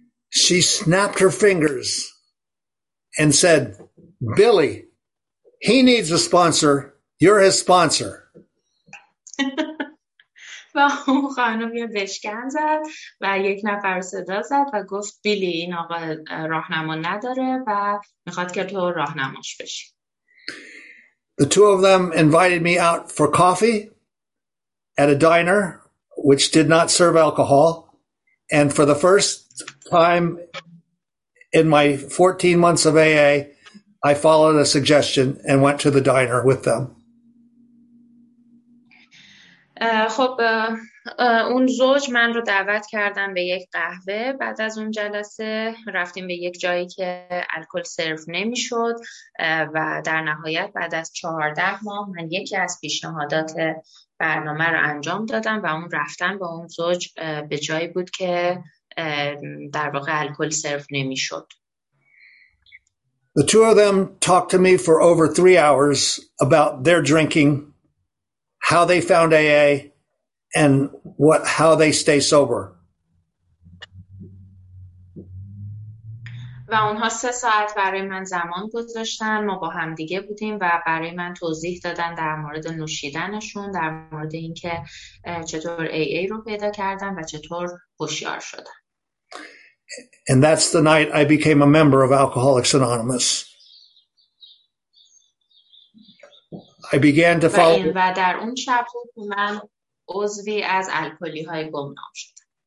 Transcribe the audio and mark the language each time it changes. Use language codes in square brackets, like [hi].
[en] She snapped her fingers and said, Billy, he needs a sponsor. You're his sponsor. [fa] و اون خانم یه بشکن زد و یک نفر صدا زد و گفت بیلی این آقا راهنما نداره و میخواد که تو راهنماش بشی. [en] The two of them invited me out for coffee at a diner which did not serve alcohol, and for the first time in my 14 months of AA, I followed a suggestion and went to the diner with them. [fa] خب اون زوج من رو دعوت کردن به یک قهوه بعد از اون جلسه، رفتیم به یک جایی که الکل سرو نمی شد و در نهایت بعد از 14 ماه من یکی از پیشنهادات برنامه رو انجام دادم و اون رفتن با اون زوج به جایی بود که در واقع الکل سرو نمی شد. [en] The two of them talked to me for over 3 hours about their drinking, how they found AA, and how they stay sober. [fa] و اونها 3 ساعت برای من زمان گذاشتن، ما با هم دیگه بودیم و برای من توضیح دادن در مورد نوشیدنشون، در مورد اینکه چطور AA رو پیدا کردن و چطور هوشیار شدن. [en] And that's the night I became a member of Alcoholics Anonymous. I began to follow. [fa] و در اون شب من عضوی از الکلی‌های گمنام شدم.